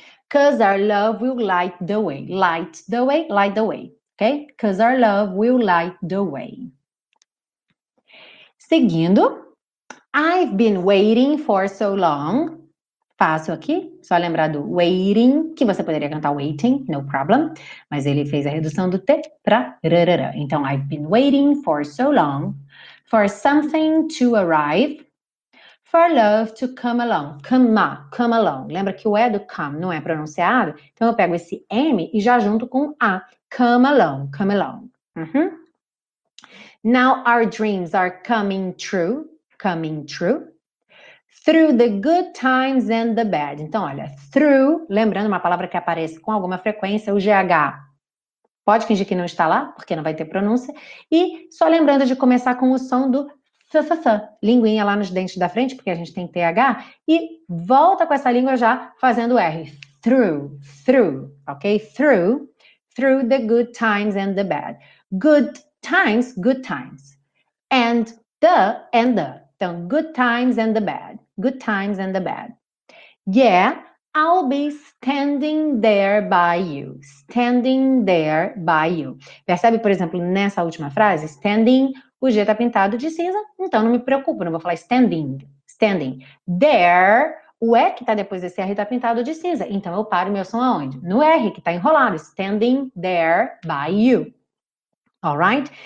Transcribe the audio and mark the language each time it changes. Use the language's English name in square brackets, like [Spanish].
[English] Cause our love will light the way. Light the way, ok? Cause our love will light the way. [Portuguese] Seguindo. [English] I've been waiting for so long. [Portuguese] Fácil aqui. Só lembrar do waiting, que você poderia cantar waiting, [English] no problem. [Portuguese] Mas ele fez a redução do T pra rarara. Então, [English] I've been waiting for so long for something to arrive. for love to come along. Come, come along. [Portuguese] Lembra que o E do come não é pronunciado? Então, eu pego esse M e já junto com A. [English] Come along, come along. Uhum. Now our dreams are coming true, coming true. Through the good times and the bad. [Portuguese] Então, olha, through, lembrando uma palavra que aparece com alguma frequência, o GH. Pode fingir que não está lá, porque não vai ter pronúncia. E só lembrando de começar com o som do ffff, linguinha lá nos dentes da frente, porque a gente tem TH. E volta com essa língua já fazendo R. [English] Through, through, ok? Through, through the good times and the bad. Good times, good times. And the, [Portuguese] então, [English] good times and the bad. Good times and the bad. Yeah, I'll be standing there by you. Standing there by you. [Portuguese] Percebe, por exemplo, nessa última frase, standing, o G tá pintado de cinza, então não me preocupo, não vou falar standing. Standing. There, o E que tá depois desse R tá pintado de cinza, então eu paro meu som aonde? No R, que tá enrolado. [English] Standing there by you. Alright?